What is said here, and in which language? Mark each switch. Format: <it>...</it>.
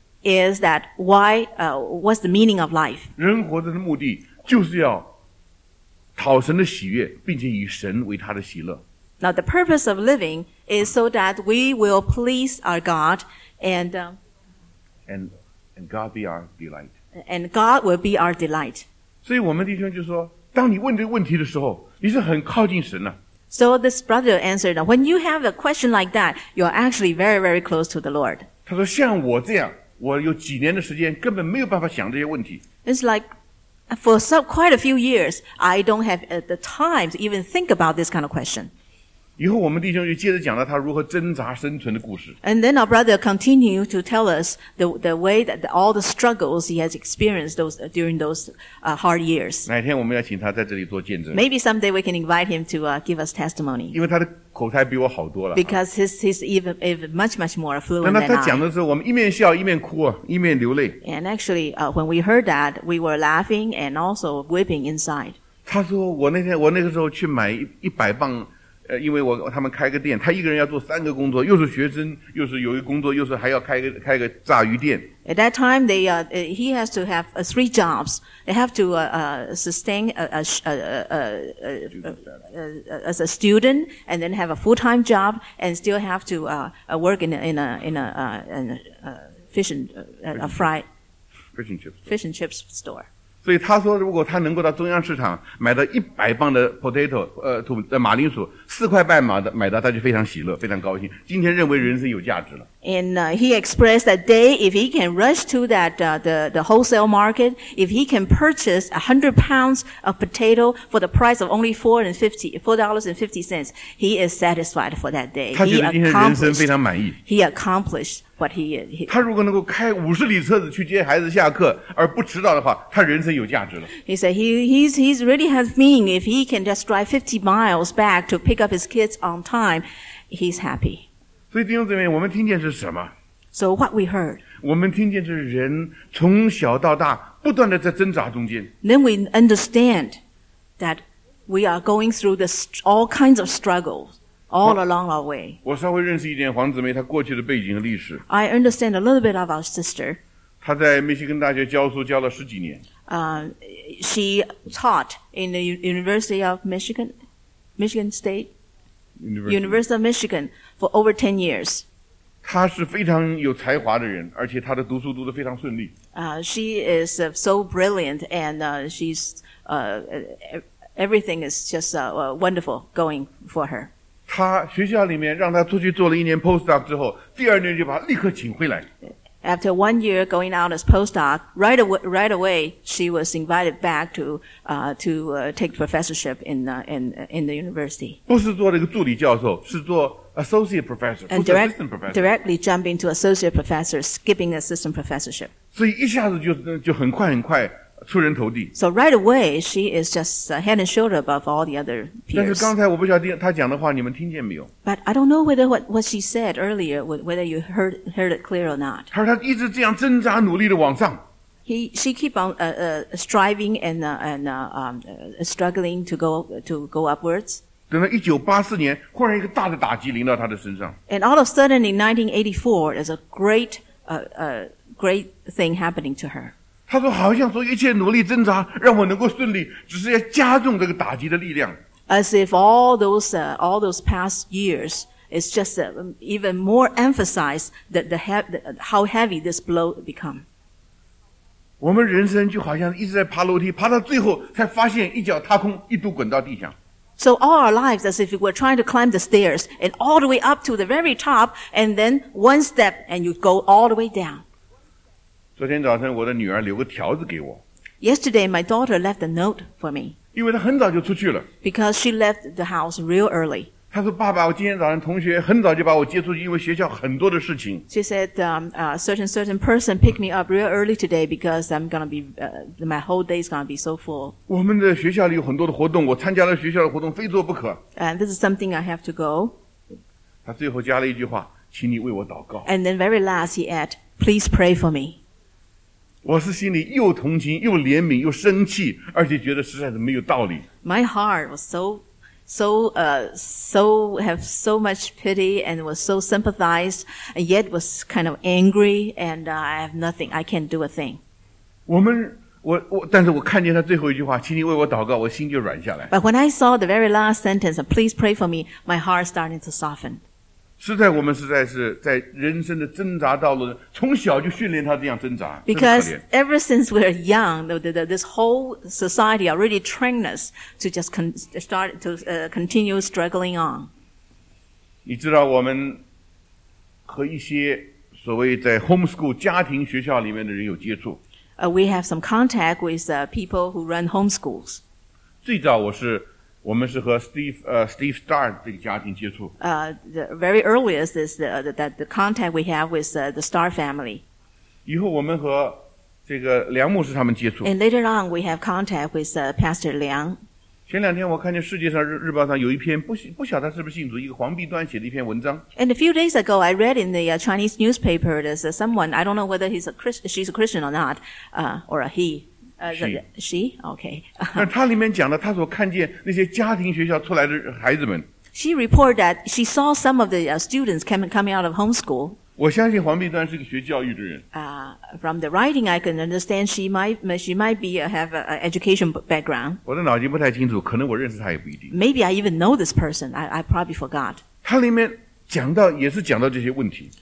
<en>Is that why, what's the meaning of life?</en> <zh>人活着的目的就是要讨神的喜悦，并且以神为他的喜乐。</zh> <en>Now the purpose of living is so that we will please our God and God be our delight. And God will be our delight.</en> <zh>所以我们弟兄就说，当你问这个问题的时候，你是很靠近神啊。</zh> <en>So this brother answered, when you have a question like that, you're actually very, very close to the Lord.</en> <zh>他说像我这样，我有几年的时间根本没有办法想这些问题。</zh> <en>It's like, for some, quite a few years, I don't have the time to even think about this kind of question.</en> <zh>以后我们弟兄就接着讲了他如何挣扎生存的故事。</zh> <en>And then our brother continued to tell us the way that all the struggles he has experienced during those hard years.</en> <zh>哪天我们要请他在这里做见证。</zh> <en>Maybe someday we can invite him to give us testimony.</en> <zh>因为他的口才比我好多了。</zh> <en>Because he's even much, much more fluent than I.</en> <zh>那他讲的时候，我们一面笑一面哭，一面流泪。</zh> <en>And actually, when we heard that, we were laughing and also weeping inside.</en> <zh>他说我那个时候去买一百磅因为他们开个店，他一个人要做三个工作，又是学生，又是有一个工作，又是还要开个炸鱼店。</zh> <en>At that time, he has to have three jobs. They have to sustain as a student, and then have a full-time job, and still have to work in a fish and chips store.</en> <zh>所以他说如果他能够到中央市场买到一百磅的 potato, 马铃薯四块半买到，他就非常喜乐非常高兴，今天认为人生有价值了。</zh> <en>And he expressed that day, if he can rush to that, the wholesale market, if he can purchase 100 pounds of potato for the price of only $4.50, he is satisfied for that day.</en> <zh>他觉得今天人生非常满意。</zh> <en>He accomplished what he</en> <zh>他如果能够开50里车子去接孩子下课而不迟到的话，他人生有价值了。</zh> <en>He said he's really has meaning. If he can just drive 50 miles back to pick up his kids on time, he's happy.</en> <zh>所以弟兄姊妹，我们听见是什么？</zh> <en>So what we heard?</en> <zh>我们听见是人从小到大不断的在挣扎中间。</zh> <en>Then we understand that we are going through this all kinds of struggles all along our way.</en> <zh>我稍微认识一点黄姊妹她过去的背景和历史。</zh> <en>I understand a little bit of our sister.</en> <zh>她在密西根大学教书教了十几年。</zh> <en>She taught in the University of Michigan State. University of Michigan for over 10 years.</en> <zh>她是非常有才华的人，而且她的读书读得非常顺利。</zh> <en>She is so brilliant, and she's everything is just wonderful going for her.</en> <zh>她学校里面让她出去做了一年 postdoc 之后，第二年就把她立刻请回来。</zh> <en>After 1 year going out as postdoc, right away she was invited back to take professorship in the university.</en> <zh>不是做这个助理教授，是做 associate professor,</zh> <en>and</en> <zh>不是 assistant professor.</zh> <en>Directly jumping to associate professor, skipping assistant professorship.</en> <zh>所以一下子就很快很快出人头地。</zh> <en>So right away she is just head and shoulder above all the other peers.</en> <zh>但是刚才我不晓得她讲的话你们听见没有。</zh> <en>But I don't know whether what she said earlier, whether you heard it clear or not.</en> <zh>她说她一直这样挣扎努力的往上。</zh> <en>She keep on striving and struggling to go upwards.</en> <zh>等到1984年忽然一个大的打击临到她的身上。</zh> <en>And all of a sudden in 1984, there's a great thing happening to her.</en> <zh>他说好像说一切努力挣扎让我能够顺利只是要加重这个打击的力量。</zh> <en>As if all those past years it's just even more emphasized that how heavy this blow become.</en> <zh>我们人生就好像一直在爬楼梯，爬到最后才发现一脚踏空，一度滚到地上。</zh> <en>So all our lives as if we're trying to climb the stairs and all the way up to the very top and then one step and you go all the way down.</en> <zh>昨天早晨我的女儿留个条子给我。</zh> <en>Yesterday my daughter left a note for me.</en> <zh>因为她很早就出去了。</zh> <en>Because she left the house real early.</en> <zh>她说爸爸我今天早上同学很早就把我接出去因为学校很多的事情。</zh> <en>She said, a certain person picked me up real early today because I'm going to be, my whole day is going to be so full.</en> <zh>我们的学校里有很多的活动我参加了学校的活动非做不可。</zh> <en>And this is something I have to go.</en> <zh>她最后加了一句话请你为我祷告。</zh> <en>And then very last he added, please pray for me.</en> <zh>我是心里又同情又怜悯又生气而且觉得实在是没有道理。</zh> <en>My heart was so have so much pity and was so sympathized and yet was kind of angry and I have nothing, I can't do a thing.</en> <zh>但是我看见他最后一句话请你为我祷告我心就软下来。</zh> <en>But when I saw the very last sentence, please pray for me, my heart started to soften.</en> <zh>实在我们实在是在人生的挣扎道路从小就训练他这样挣扎。</zh> <en>Because ever since we're young, this whole society already trained us to just continue struggling on.</en> <zh>你知道我们和一些所谓在 homeschool 家庭学校里面的人有接触。</zh> <en>We have some contact with people who run homeschools.</en> <zh>最早我们是和 Steve Starr 这个家庭接触。</zh> <en>The very earliest is the contact we have with the Starr family.</en> <zh>以后我们和这个梁牧师他们接触。</zh> <en>And later on, we have contact with Pastor Liang.</en> <zh>前两天我看见世界上日报上有一篇不晓得是不是信徒一个黄碧端写的一篇文章。</zh> <en>And a few days ago, I read in the Chinese newspaper that someone, I don't know whether she's a Christian or not, or a he. She reported that she saw some of the students coming out of homeschool.</en> <zh>我相信黄碧端是个学教育的人。</zh> <en>From the writing, I can understand she might have an education background.</en> <zh>我的脑筋不太清楚，可能我认识她也不一定。</zh> <en>Maybe I even know this person. I probably forgot.</en> <zh>她里面讲到也是讲到这些问题。</zh>